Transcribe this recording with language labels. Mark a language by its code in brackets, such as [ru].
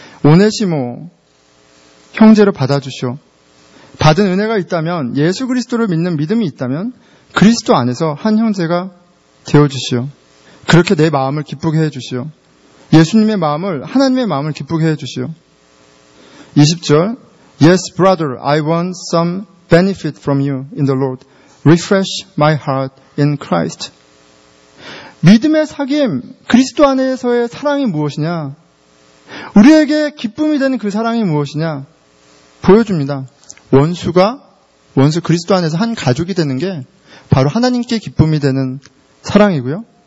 [ko] 오네시모, 형제로 받아주시오. 받은 은혜가 있다면, 예수 그리스도를 믿는 믿음이 있다면 그리스도 안에서 한 형제가 되어주시오. 그렇게 내 마음을 기쁘게 해주시오. 예수님의 마음을, 하나님의 마음을 기쁘게 해주시오. [en] 20절, Yes, brother, I want some benefit from you in the Lord. Refresh my heart in Christ. [ko] 믿음의 사귐, 그리스도 안에서의 사랑이 무엇이냐? 우리에게 기쁨이 되는 그 사랑이 무엇이냐? 보여줍니다. 원수 그리스도 안에서 한 가족이 되는 게 바로 하나님께 기쁨이 되는 사랑이고요.